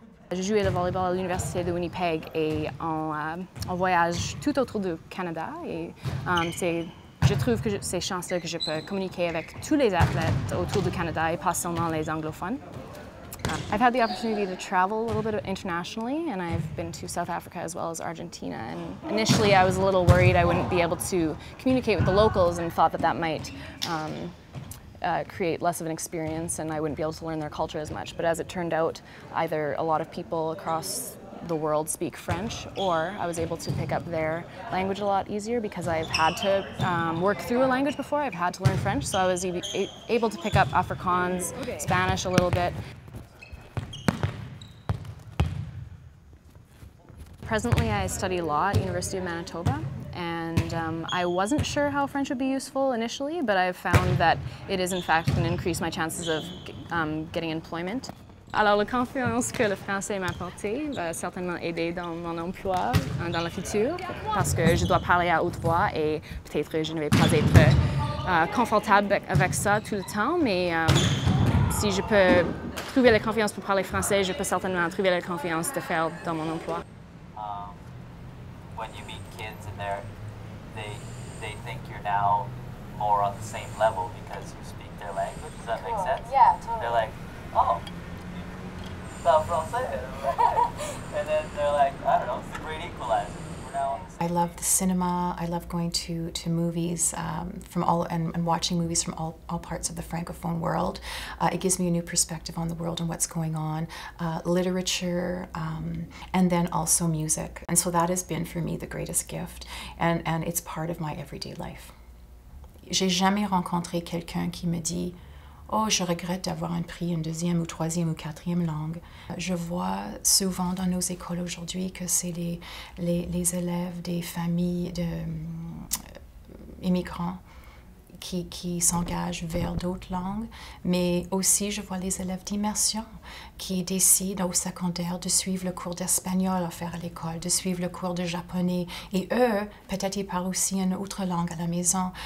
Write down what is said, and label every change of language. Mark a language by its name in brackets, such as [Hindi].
[French] J'ai joué le volleyball à l'Université de Winnipeg et on voyage tout autour du Canada. Je trouve que c'est chanceux que je peux communiquer avec tous les athlètes autour du Canada et pas seulement les anglophones. [English] I've had the opportunity to travel a little bit internationally, and I've been to South Africa as well as Argentina. And initially, I was a little worried I wouldn't be able to communicate with the locals and thought that might create less of an experience and I wouldn't be able to learn their culture as much. But as it turned out, either a lot of people across the world speak French, or I was able to pick up their language a lot easier because I've had to work through a language before. I've had to learn French, so I was able to pick up Afrikaans, Spanish a little bit. Presently, I study law at University of Manitoba. And I wasn't sure how French would be useful initially, but I've found that it is in fact going to increase my chances of getting employment. Alors la confiance que le français m'a apporté va certainement aider dans mon emploi dans le futur, parce que je dois parler à haute voix et peut-être je ne vais pas être confortable avec ça tout le temps, mais si je peux trouver la confiance pour parler français, je peux certainement trouver la confiance de faire dans mon emploi. When you meet kids in there, they think you're now more on the same level because you speak their language. Does that cool. make sense? Yeah, totally. They're like, oh, [French] parle français. [English] Okay. And then they're like, I don't know, it's the great equalizer. I love the cinema. I love going to movies and watching movies from all parts of the Francophone world. It gives me a new perspective on the world and what's going on. Literature, and then also music. And so that has been for me the greatest gift, and it's part of my everyday life. [French] J'ai jamais rencontré quelqu'un qui me dit, oh, je regrette d'avoir appris une deuxième ou troisième ou quatrième langue. Je vois souvent dans nos écoles aujourd'hui que c'est les élèves des familles d'immigrants qui s'engagent vers d'autres langues, mais aussi je vois les élèves d'immersion qui décident au secondaire de suivre le cours d'espagnol offert à l'école, de suivre le cours de japonais, et eux, peut-être ils parlent aussi une autre langue à la maison.